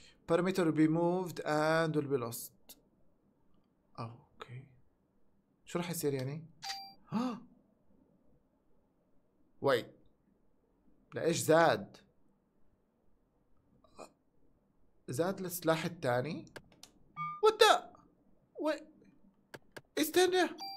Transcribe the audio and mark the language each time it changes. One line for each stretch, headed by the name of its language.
English: Parameter will be moved and will be lost.
Arabic: اوكي شو راح يصير يعني؟
English: wait
Arabic: لايش زاد؟ زاد السلاح الثاني.
English: What the wait
Arabic: استنى.